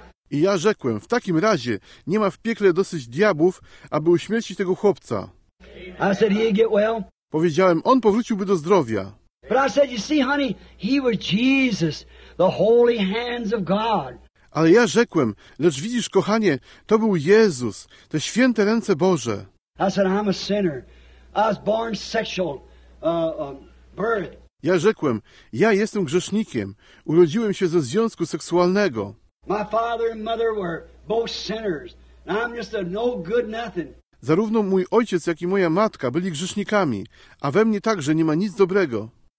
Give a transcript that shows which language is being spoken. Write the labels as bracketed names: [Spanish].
[Polish] I ja rzekłem, w takim razie nie ma w piekle dosyć diabłów, aby uśmiercić tego chłopca. [English] I said he'd get well. [Polish] Powiedziałem, on powróciłby do zdrowia. [English] But I said, you see, honey, he was Jesus, the holy hands of God. [Polish] Ale ja rzekłem, lecz widzisz, kochanie, to był Jezus, te święte ręce Boże. [English] I said, I'm a sinner. I was born sexual birth. [Polish] Ja rzekłem, ja jestem grzesznikiem. Urodziłem się ze związku seksualnego. [English] My father and mother were both sinners. And I'm just a no good nothing. [Polish] Zarówno mój ojciec, jak i moja matka byli grzesznikami, a we mnie także nie ma nic dobrego.